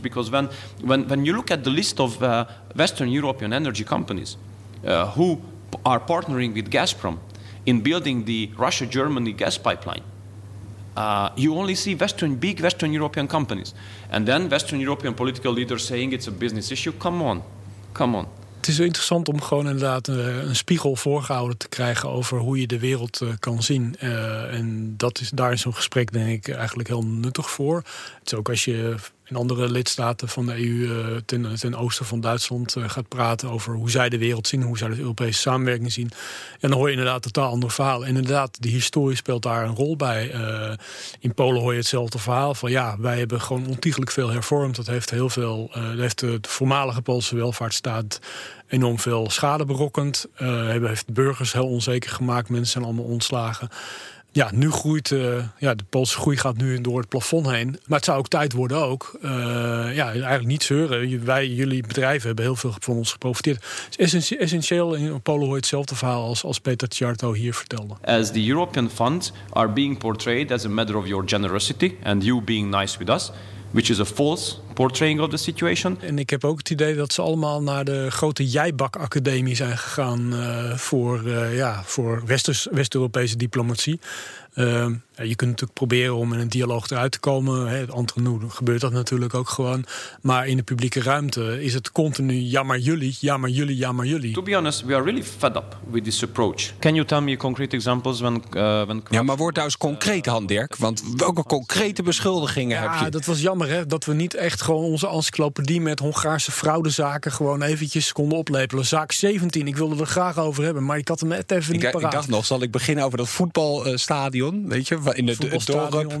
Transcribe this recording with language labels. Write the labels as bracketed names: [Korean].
[English] Because when you look at the list of Western European energy companies who are partnering with Gazprom in building the Russia-Germany gas pipeline, you only see big Western European companies. And then Western European political leaders saying it's a business issue. Come on. [Dutch] Het is interessant om gewoon inderdaad een spiegel voorgehouden te krijgen over hoe je de wereld kan zien. En dat is, daar is zo'n gesprek denk ik eigenlijk heel nuttig voor. Het is ook als je in andere lidstaten van de EU ten oosten van Duitsland gaat praten over hoe zij de wereld zien, hoe zij de Europese samenwerking zien. En dan hoor je inderdaad totaal andere verhalen. Inderdaad, de historie speelt daar een rol bij. In Polen hoor je hetzelfde verhaal van ja, wij hebben gewoon ontiegelijk veel hervormd. Dat heeft heel veel, heeft de voormalige Poolse welvaartsstaat enorm veel schade berokkend. Heeft burgers heel onzeker gemaakt, mensen zijn allemaal ontslagen. Ja, nu groeit de Poolse groei gaat nu door het plafond heen. Maar het zou ook tijd worden ook. Eigenlijk niet zeuren. Jullie bedrijven hebben heel veel van ons geprofiteerd. Het is essentieel in Polen hoort hetzelfde verhaal als Peter Ciarto hier vertelde. [English] As the European funds are being portrayed as a matter of your generosity and you being nice with us, which is a false portraying of the situation. [Dutch] En ik heb ook het idee dat ze allemaal naar de grote jijbakacademie zijn gegaan voor West-Europese diplomatie. Je kunt natuurlijk proberen om in een dialoog eruit te komen. Antrenoe gebeurt dat natuurlijk ook gewoon. Maar in de publieke ruimte is het continu jammer jullie. [English] To be honest, we are really fed up with this approach. Can you tell me concrete examples when? [Dutch] Ja, maar word nou eens concreet, Han-Dirk. Want welke concrete beschuldigingen heb je? Ja, dat was jammer hè, dat we niet echt gewoon onze encyclopedie met Hongaarse fraudezaken gewoon eventjes konden oplepelen. Zaak 17, ik wilde er graag over hebben, maar ik had hem net even niet paraat. Ik dacht nog, zal ik beginnen over dat voetbalstadion, weet je, in het dorp,